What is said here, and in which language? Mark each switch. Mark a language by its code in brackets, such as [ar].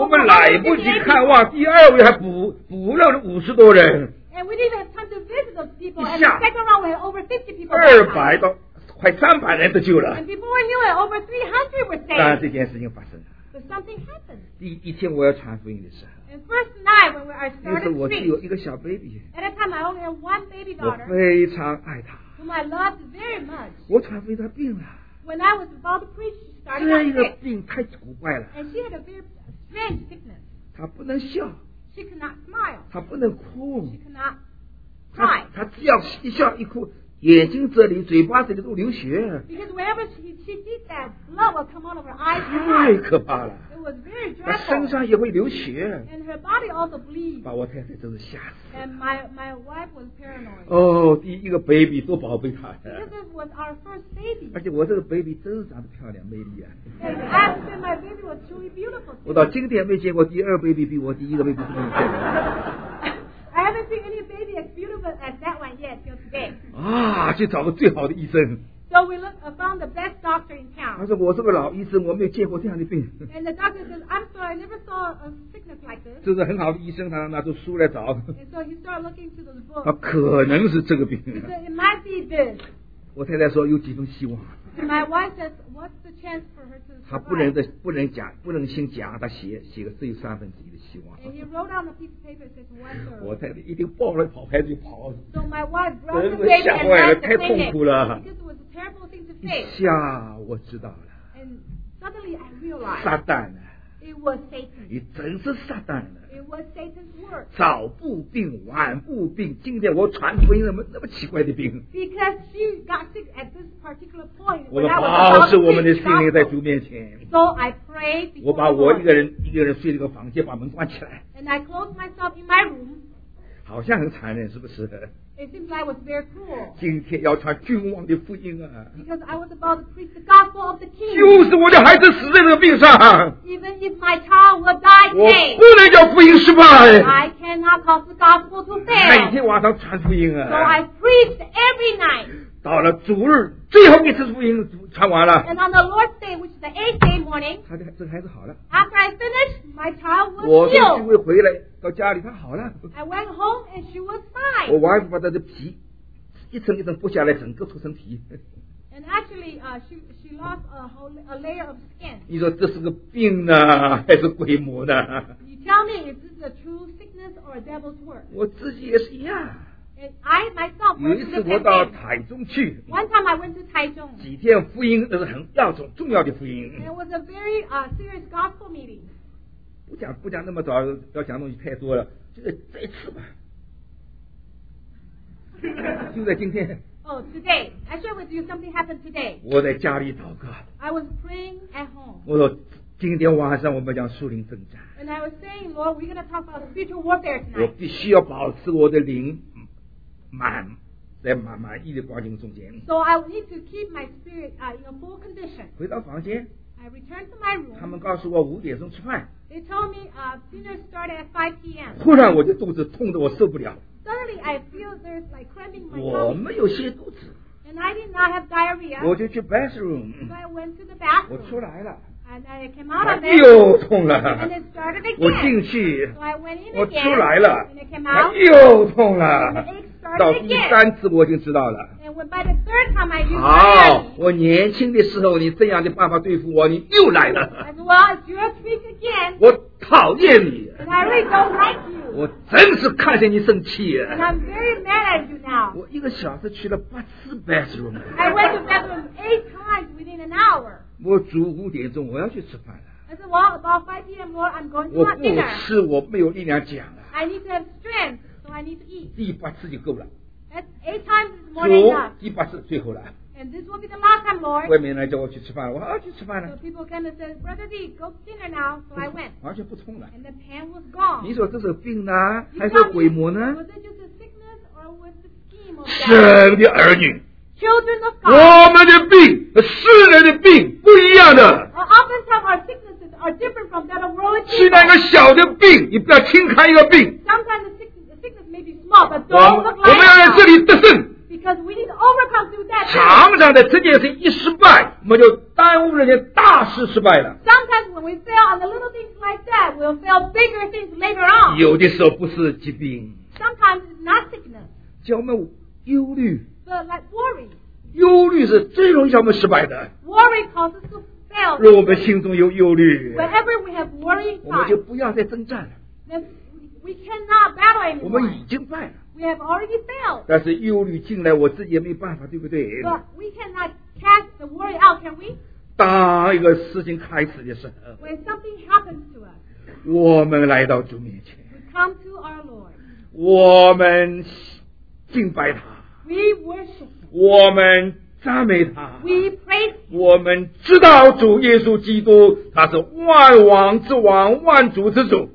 [zh] 我们来不及看望，第二位还补了50多人。 [en] And we didn't have time to visit those people. And the second round, we had over 50 people. [zh] 200到快300人都救了。 [en] And before we knew it, over 300 were saved. [zh] 但这件事情发生了。 [en] But something happened. [zh] 第一天我要传福音的时候。 [en] And first night when we are starting to preach. [zh] 那时我只有一个小 baby. [en] At that time, I only had one baby daughter. [zh] 我非常爱她。 [en] Whom I loved very much. [zh] 我传福音她病了。 [en] When I was about to preach, she started to sick. [zh] 这个病太古怪了。 [en] And she had a very strange sickness. [zh] 她不能笑。 [en] She cannot smile. [zh] 她不能哭。 [en] She cannot cry. [zh] 她只要一笑一哭，眼睛这里、嘴巴这里都流血。 [en] Because whenever she did that, blood would come out of her eyes. [zh] 太可怕了。 [en] It was very dreadful. [zh] 她身上也会流血。 [en] And her body also bleeds. [zh] 把我太太真是吓死了。 [en] And my wife was paranoid. [zh] 哦，第一个 baby 多宝贝她。 [en] Because it was our first baby. [zh] 而且我这个 baby 真是长得漂亮、美丽啊。 [en] My baby was truly beautiful. [zh] 我到今天没见过第二 baby 比我第一个 baby 更漂亮。 [en] I haven't seen any baby as beautiful as that one yet till today. [zh] 啊，去找个最好的医生。 [en] So we found the best doctor in town. [zh] 他说我是个老医生，我没有见过这样的病。 [en] And the doctor says, I'm sorry, I never saw a sickness like this. [zh] 这是很好的医生，他拿出书来找。 [en] And so he started looking through the book. [zh] 啊，可能是这个病。 [en] He said, it might be this. [zh] 我太太说有几分希望。 [en] My wife says, "What's the chance for her to?" [zh] 他不能讲，不能先讲，他写个只有三分之一的希望。 [en] And he wrote on a piece of paper says, "What's?" [zh] 我太太一定抱着跑，孩子就跑。 [en] So my wife brought the baby and left the clinic. [zh] 太痛苦了。 [en] This was a terrible thing to face. [zh] 一下我知道了。 [en] And suddenly I realized. [zh] 撒旦呢？ [en] It was Satan. [zh] 你真是撒旦呢。 [en] It was Satan's work. [zh] 早不病，晚不病，今天我传福音那么奇怪的病。 [en] Because she got sick at this particular point. [zh] 我说保守我们的心灵在主面前。 [en] So I prayed. [zh] 我把我一个人睡这个房间，把门关起来。 [en] And I closed myself in my room. [zh] 好像很残忍，是不是？ [en] It seems like I was very cruel. [zh] 今天要传君王的福音啊。 [en] Because I was about to preach the gospel of the king. [zh] 就是我的孩子死在这个病上。 [en] Even if my child would die today. [zh] 我不能叫福音失败。 [en] I cannot cause the gospel to fail. [zh] 每天晚上传福音啊。 [en] So I preached every night. [zh] 到了主日，最后一次福音传完了。 [en] And on the Lord's day, which is the eighth day morning. [zh] 这个孩子好了。 [en] After I finished, my child was healed. [zh] 我从聚会回来。到家里他好了。 [en] I went home and she was fine. [zh] 我完全把他的皮一层一层剥下来，整个出身体。 [en] And actually, she lost a layer of skin. [zh] 你说这是个病呢，还是鬼魔呢？ [en] You tell me, is this a true sickness or a devil's work? [zh] 我自己也是一样。 [en] I myself went to Taichung. [zh] 有一次我到台中去。 [en] One time I went to Taichung. [zh] 几天福音，那是很重要的福音。 [en] It was a very serious gospel meeting. [zh] 不讲那么早，要讲东西太多了，就在这一次吧，就在今天。 [en] And today. I share with you something happened today. [zh] 我在家里祷告。 [en] I was praying at home. [zh] 我说今天晚上我们讲属灵征战。 [en] And I was saying, Lord, we're going to talk about the spiritual warfare tonight. [zh] 我必须要保持我的灵满，在满满意的光景中间。 [en] So I need to keep my spirit in a full condition. [zh] 回到房间。 [en] I returned to my room. [zh] 他们告诉我五点钟吃饭。 [en] They told me dinner started at 5 p.m. [zh] 突然我的肚子痛得我受不了。 [en] Suddenly, I feel there's like cramping my tummy. [zh] 我没有泻肚子。 [en] And I did not have diarrhea. [zh] 我就去 bathroom. [en] So I went to the bathroom. [zh] 我出来了。 [en] And I came out of it. [zh] 又痛了。 [en] And it started again. [zh] 我进去。 [en] So I went in again. [zh] 我出来了。 [en] And it came out. [zh] 又痛了。 [en] And it started again. [zh] 到第三次我已经知道了。 [en] And when by the third time I used it. [zh] 好，我年轻的时候你这样的办法对付我，你又来了。 [en] As well as you speak again. [zh] 我讨厌你。 [en] And I really don't like you. [zh] 我真是看见你生气。 [en] And I'm very mad at you now. [zh] 我一个小时去了八次 bathroom. [en] I went to bathroom 8 times within an hour. [zh] 我煮五点钟我要去吃饭了。 [en] I said, well, about 5 p.m. more, I'm going to have dinner. [zh] 我不吃我没有力量讲了。 [en] I need to have strength, so I need to eat. [zh] 第八次就够了。 [en] That's 8 times is more than enough. [zh] 第八次最后了。 [en] And this will be the last time, Lord. [zh] 外面来叫我去吃饭了，我要去吃饭了。 [en] So people came and said, Brother D, go to dinner now. So I went. [zh] 完全不痛了。 [en] And the pain was gone. [zh] 你说这是病呢，还是鬼魔呢？ [en] Was it just a sickness or was the scheme of death? [zh] 神的儿女。 [en] Children of God. [zh] 我们的病和世人的病不一样的。 [en] Oftentimes our sicknesses are different from that of worldly people. [zh] 是那个小的病，你不要轻看一个病。 [en] Sometimes the sickness may be small, but don't look like that. [zh] 我们要在这里得胜。 [en] Because we need to overcome through that. [zh] 常常的这件事一失败，我们就耽误人家大事失败了。 [en] Sometimes when we fail on the little things like that, we'll fail bigger things later on. [zh] 有的时候不是疾病。 [en] Sometimes it's not sickness. [zh] 叫我们忧虑。 [en] Like worry. [zh] 忧虑是最容易叫我们失败的。 [en] Worry causes to fail. [zh] 若我们心中有忧虑， [en] whenever we have worry, [zh] 我们就不要再征战了。 [en] Then we cannot battle anymore. [zh] 我们已经败了。 [en] We have already failed. [zh] 但是忧虑进来，我自己也没办法，对不对？ [en] But we cannot cast the worry out, can we? [zh] 当一个事情开始的时候， [en] when something happens to us, [zh] 我们来到主面前， [en] we come to our Lord. [zh] 我们敬拜他。 [en] We worship. [zh] 我们赞美他。 [en] We praise. [zh] 我们知道主耶稣基督，他是万王之王，万主之主。